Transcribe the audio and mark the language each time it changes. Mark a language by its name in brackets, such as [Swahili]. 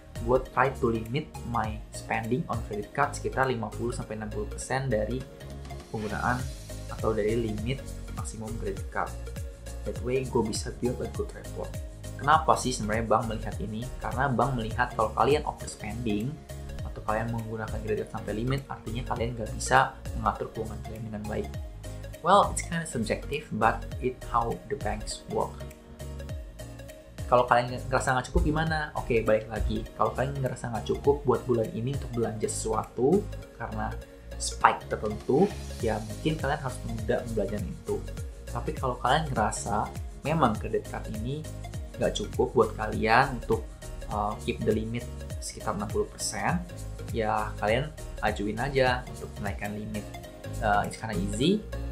[Indonesian] Gue [English] try to limit my spending on credit card [Indonesian] sekitar 50-60% dari penggunaan atau dari limit maksimum credit card. [English] That way [Indonesian] gue bisa [English] build a good rapport. [Indonesian] Kenapa sih sebenarnya bank melihat ini? Karena bank melihat kalau kalian overspending atau kalian menggunakan credit card sampai limit, artinya kalian gak bisa mengatur keuangan kalian dengan baik. [English] Well, it's kind of subjective, but it's how the banks work. [Indonesian] Kalau kalian ngerasa nggak cukup gimana? Oke, balik lagi. Kalau kalian ngerasa nggak cukup buat bulan ini untuk belanja sesuatu karena spike tertentu, ya mungkin kalian harus menunda pembelanjaan itu. Tapi kalau kalian ngerasa memang credit card ini nggak cukup buat kalian untuk [English] keep the limit [Indonesian] sekitar 60%, ya kalian ajuin aja untuk menaikkan limit. [English] It's kind of easy.